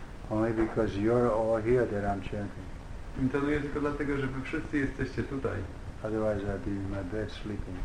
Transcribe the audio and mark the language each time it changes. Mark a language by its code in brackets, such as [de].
[en] Only because you're all here that I'm chanting. [pl] Intonuję tylko dlatego, że wy wszyscy jesteście tutaj. [en] Otherwise I'd be in my bed sleeping.